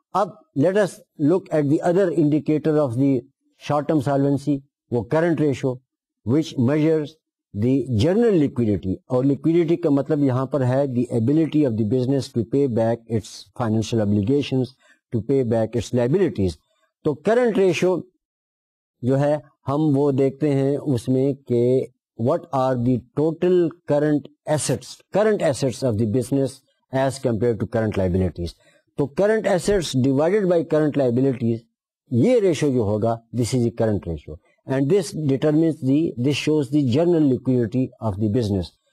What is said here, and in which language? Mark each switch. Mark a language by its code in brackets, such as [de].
[en] اب let us look at the other indicator of the short term solvency, وہ current ratio which measures the general liquidity. [ur] اور لکویڈیٹی کا مطلب یہاں پر ہے [en] The ability of the business to pay back its financial obligations, to pay back its liabilities. [ur] تو current ratio جو ہے ہم وہ دیکھتے ہیں اس میں کہ [en] what are the total current assets of the business as compared to current liabilities. So current assets divided by current liabilities, [ur] ye ratio jo hoga, [en] this is the current ratio. And this determines the, this shows the general liquidity of the business.